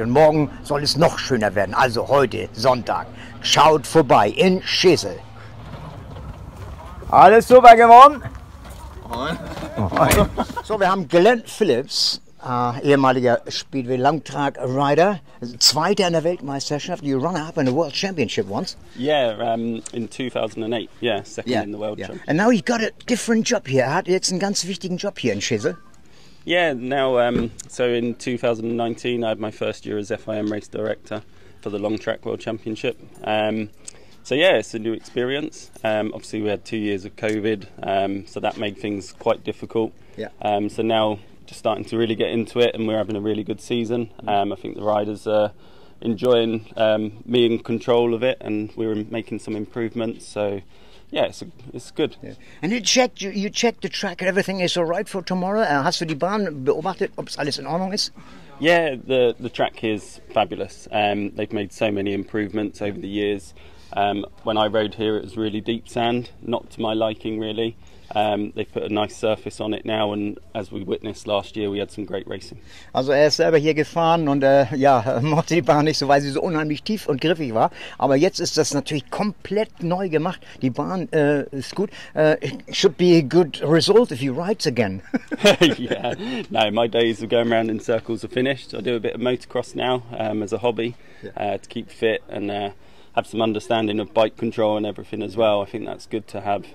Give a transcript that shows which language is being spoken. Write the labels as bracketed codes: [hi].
[de] Und morgen soll es noch schöner werden, also heute Sonntag. Schaut vorbei in Scheeßel. Alles super geworden? So, wir haben Glenn Phillips, ehemaliger Speedway Longtrack Rider, Zweiter in der Weltmeisterschaft. [en] You run up in the World Championship once. Yeah, in 2008. Yeah, second in the World Championship. And now you've got a different job here. [de] Hat jetzt einen ganz wichtigen Job hier in Scheeßel. [en] Yeah, now, so in 2019, I had my first year as FIM race director for the Longtrack World Championship. So yeah, it's a new experience. Obviously, we had 2 years of COVID, so that made things quite difficult. Yeah. So now, just starting to really get into it, and we're having a really good season. I think the riders are enjoying me in control of it, and we're making some improvements. So yeah, it's good. Yeah. And you checked the track, and everything is all right for tomorrow. [de] Hast du die Bahn beobachtet, ob alles in Ordnung ist? [en] Yeah, the track is fabulous. They've made so many improvements over the years. When I rode here, it was really deep sand, not to my liking really. They've put a nice surface on it now, and as we witnessed last year, we had some great racing. [de] Also er ist selber hier gefahren und mochte die Bahn nicht so, weil sie so unheimlich tief und griffig war. Aber jetzt ist das natürlich komplett neu gemacht. Die Bahn ist gut. [en] It should be a good result if he rides again. Yeah, no, my days of going around in circles are finished. I do a bit of motocross now as a hobby to keep fit and have some understanding of bike control and everything as well. I think that's good to have.